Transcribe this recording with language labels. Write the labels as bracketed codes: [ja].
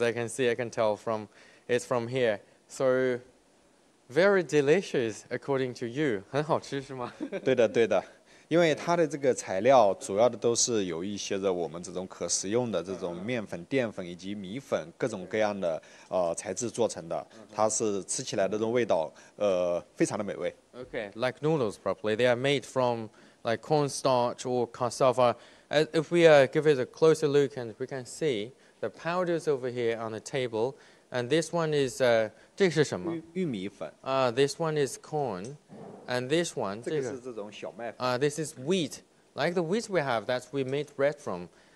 [en] I can see, I can tell from it's from here. So very delicious, according to you. [zh] 很好吃是吗？对的，对的，因为它的这个材料主要的都是有一些的我们这种可食用的这种面粉、淀粉以及米粉各种各样的材质做成的，它是吃起来的这种味道，非常的美味。Okay, [en] like noodles properly, they are made from like cornstarch or cassava. If we give it a closer look, and we can see the powders over here on the table, and this one is [zh] 这是什么？玉米粉。 [en] This one is corn. And this one, this is wheat, like the wheat we have that we made bread from.